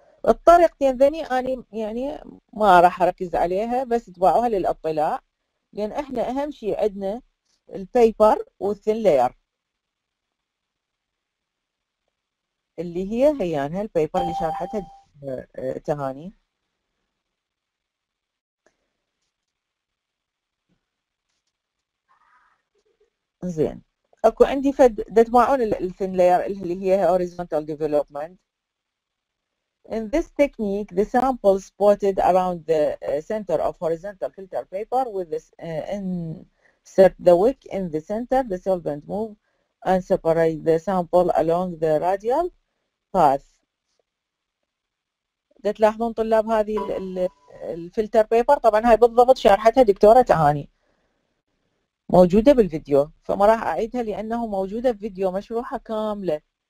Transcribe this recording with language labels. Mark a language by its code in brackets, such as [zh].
[ar] الطريقتين ذني اني يعني ما راح اركز عليها بس تباعوها للاطلاع، لان احنا اهم شيء عندنا البيبر والثين لاير اللي هي هيانها البيبر اللي شرحتها تهاني. زين اكو عندي فد دتماعون الثين لاير اللي هي هوريزونتال ديفلوبمنت. [en] In this technique, the sample spotted around the center of horizontal filter paper with this insert the wick in the center, the solvent move and separate the sample along the radial path. [ar] تلاحظون طلاب هذه الفلتر بيبر، طبعا هاي بالضبط شرحتها دكتورة تهاني موجودة بالفيديو، فما راح أعيدها لأنه موجودة بفيديو مشروحة كاملة.